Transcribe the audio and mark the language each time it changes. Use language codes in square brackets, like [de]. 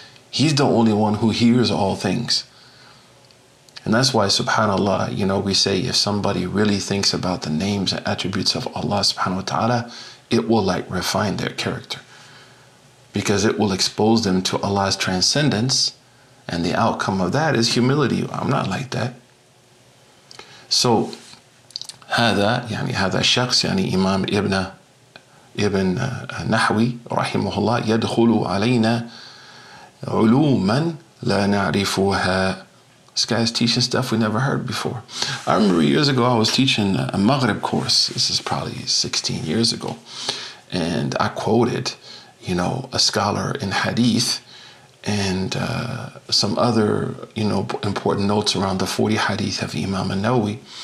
[en] He's the only one who hears all things. And that's why, subhanAllah, you know, we say if somebody really thinks about the names and attributes of Allah subhanahu wa ta'ala, it will like refine their character. Because it will expose them to Allah's transcendence. And the outcome of that is humility. I'm not like that. [ar] So, هذا يعني هذا الشخص يعني إمام ابن نحوي رحمه الله يدخل علينا علوما لا نعرفها. [en] This guy is teaching stuff we never heard before. I remember years ago I was teaching a Maghrib course. This is probably 16 years ago. And I quoted, you know, a scholar in Hadith and some other, you know, important notes around the 40 Hadith of Imam An-Nawawi.